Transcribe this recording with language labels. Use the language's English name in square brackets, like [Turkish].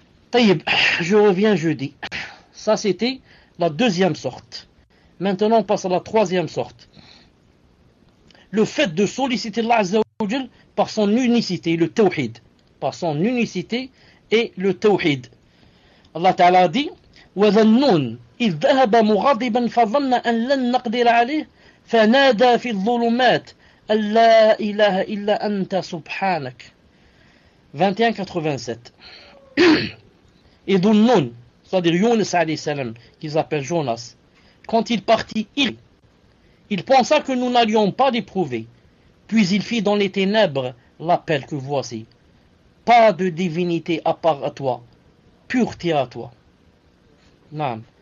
[French] Taïb, je reviens jeudi. Ça, c'était la deuxième sorte. Maintenant, on passe à la troisième sorte. Le fait de solliciter Allah Azza wa Jal par son unicité, le tawhid. Par son unicité et le tawhid. Allah Ta'ala dit, [Arabic] وَذَنُّونَ إذ ذهب مغاضبا فظن أن لن نقدر عليه، فنادى في الظلمات أن لا إله إلا أنت سبحانك. [French] 21-87. Et dont Noun, c'est-à-dire Younes alayhi salam, qu'ils appellent Jonas, quand il partit, il pensa que nous n'allions pas l'éprouver. Puis il fit dans les ténèbres l'appel que voici. Pas de divinité à part à toi, pureté à toi. Naam.